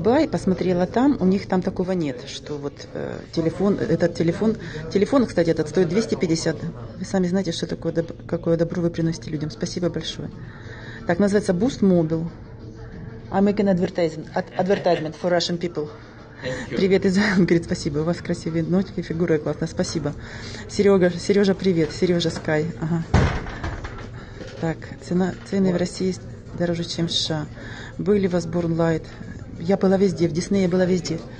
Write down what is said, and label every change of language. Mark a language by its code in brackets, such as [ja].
[ru] Посмотрела там, у них там такого нет, что вот телефон, кстати, этот стоит 250. Вы сами знаете, что такое, какое добро вы приносите людям. Спасибо большое. Так, называется Boost Mobile. [en] I'm making advertisement for Russian people. [ru] Привет из Англии, спасибо. У вас красивые ноги, фигура классная, спасибо. Сережа, привет. Сережа Скай. Ага. Так, цены в России дороже, чем в США. Были в Osborne Light. Я была везде. В Disney я была везде.